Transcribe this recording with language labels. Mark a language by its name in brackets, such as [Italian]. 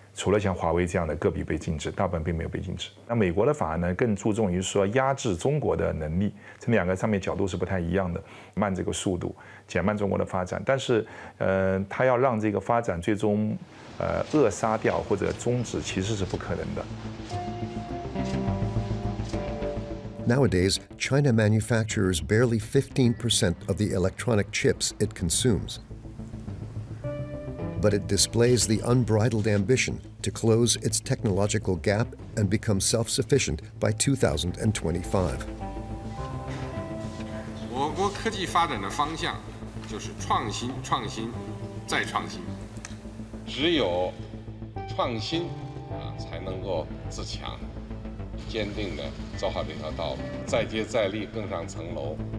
[Chinese] 除了像华为这样的个别被禁止，大部分并没有被禁止。那美国的法案呢，更注重于说压制中国的能力，这两个上面角度是不太一样的，慢这个速度，减慢中国的发展。但是，他要让这个发展最终，扼杀掉或者终止，其实是不可能的。 [English] Nowadays, China manufactures barely 15% of the electronic chips it consumes. But it displays the unbridled ambition to close its technological gap and become self-sufficient by 2025. [Chinese] 我国科技发展的方向就是创新、创新、再创新。只有创新啊，才能够自强，坚定地走好这条道路，再接再厉，更上层楼。